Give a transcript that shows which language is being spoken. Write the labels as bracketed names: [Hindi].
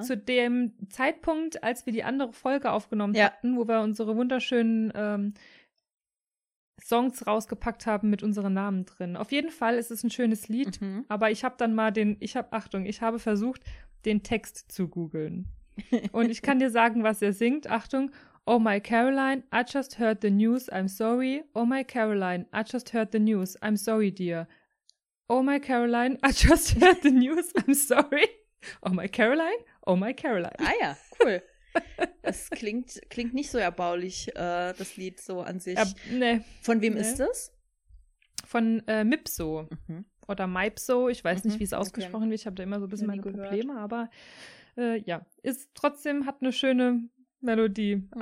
[German] Zu dem Zeitpunkt, als wir die andere Folge aufgenommen hatten, wo wir unsere wunderschönen Songs rausgepackt haben mit unseren Namen drin. Auf jeden Fall ist es ein schönes Lied, aber ich habe dann mal ich habe versucht, den Text zu googeln. Und ich kann dir sagen, was er singt. Achtung. [English] Oh my Caroline, I just heard the news, I'm sorry. Oh my Caroline, I just heard the news, I'm sorry, dear. Oh my Caroline, I just heard the news, I'm sorry. Oh my Caroline, oh my Caroline. [German] Ah ja, cool. Das klingt nicht so erbaulich, das Lied so an sich. Nee. Von wem ist das? Von Mipso. Mhm. Oder Mipso, ich weiß nicht, wie es ausgesprochen wird. Ich habe da immer so ein bisschen meine Probleme, aber ist trotzdem, hat eine schöne Melodie. Mhm.